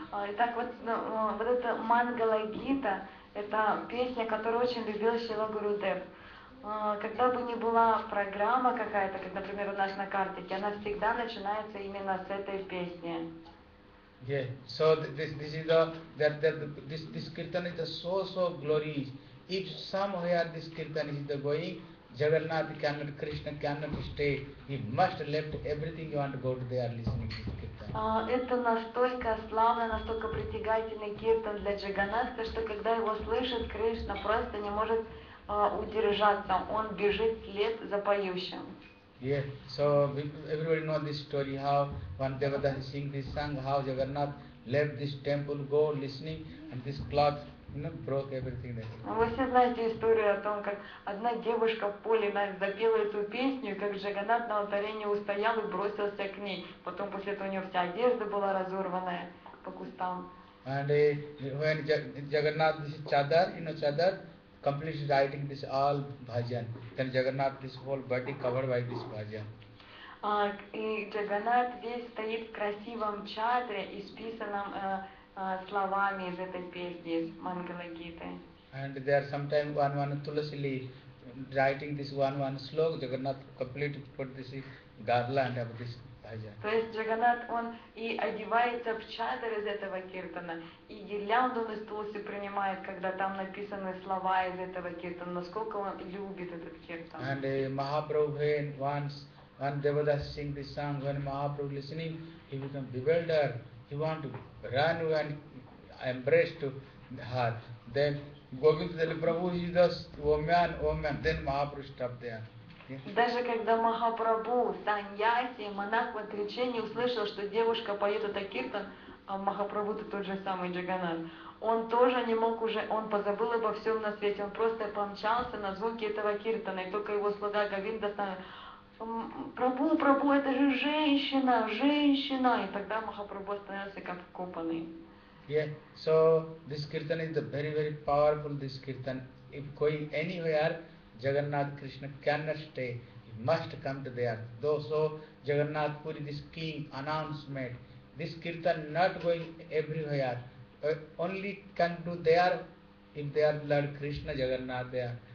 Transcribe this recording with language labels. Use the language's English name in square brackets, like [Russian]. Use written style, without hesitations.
[Russian] Итак, вот эта Мангала Гита, это песня, которую очень любил Шрила Гурудев. Когда бы ни была программа какая-то, как, например, у нас на картике, она всегда начинается именно с этой песни. [English] Yeah, so this is this kirtan is the so glorious. If somewhere this kirtan is the going, Jagannath cannot, Krishna cannot stay. He must left everything you want to go to there listening. [Russian] Это настолько славный, настолько притягательный киртан для Джаганатха, что когда его слышит, Кришна просто не может удержаться. Он бежит вслед за поющим. [English] Yeah, so everybody know this story, how one Devata sing this song, how Jagannath left this temple, go listening, and this cloth, you know, broke everything there. [Russian] Вы все знаете историю о том, как одна девушка в поле запела эту песню, как Джаганат на алтаре не устоял и бросился к ней. Потом после этого у нее вся одежда была разорванная по кустам. [English] And when Jagannat this chadar, you know, chadar, completely writing this all bhajan. Then Jagannat this whole body covered by this bhajan. [Russian] И Джаганат весь стоит в красивом чадре, исписанном словами из этой песни, из Мангала Гиты. [English] And there sometimes one tulasi leaf writing this one slog, Jagannath completely put this garland of this bhajan. [Russian] То есть Джаганат, он и одевается в чадр из этого киртана, и гирлянду из тулси принимает, когда там написаны слова из этого киртана, насколько он любит этот киртан. [English] And Mahaprabhu once, when Devada sing this song, when Mahaprabhu listening, he become bewildered. He want to run and embraced her. Then Gopis said, Prabhu, he is the woman, woman. Then Mahaprabhu stopped there. [Russian] Даже когда Махапрабху в саньясе, монах в отречении, услышал, что девушка поет это киртан, а Махапрабху это тот же самый Джаганат, он тоже не мог уже, он позабыл обо всем на свете, он просто помчался на звуки этого киртана, и только его слуга Говинда стал, Прабху, Прабху, это же женщина, женщина, и тогда Махапрабху остановился как вкопанный. [English] Yeah, so this kirtan is the very, very powerful, this kirtan. If going anywhere, Jagannath Krishna cannot stay, he must come to there. Though so, Jagannath Puri, this king, announcement, this kirtan not going everywhere, only can do there if they are Lord Krishna Jagannath there.